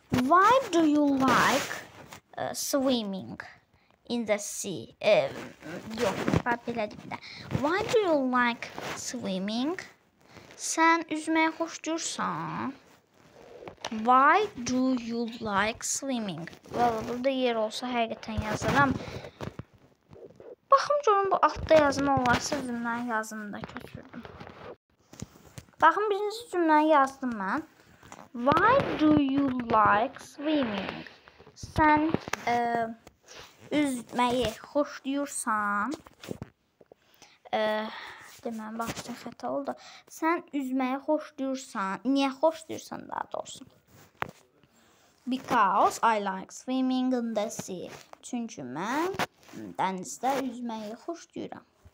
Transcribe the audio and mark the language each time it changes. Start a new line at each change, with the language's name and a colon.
English: Why do you like swimming? in the sea.
Azerbaijani: Yok, belə deyim də.
English: Why do you like swimming?
Azerbaijani: Sən üzməyi xoşlayırsan.
English: Why do you like swimming?
Azerbaijani: Valla burada yer olsa həqiqətən yazıram. Baxım görüm bu altda yazma olarsa cümləni yazdım da köçürdüm. Baxım birinci cümləni yazdım mən.
English: Why do you like swimming?
Azerbaijani: Sən üzməyi xoşlayırsan. Deməli baxışda xəta oldu. Sən üzməyi xoşlayırsan. Niyə xoşlayırsan daha doğrusu?
English: Because I like swimming in the sea.
Azerbaijani: Çünki mən dənizdə üzməyi xoşlayıram.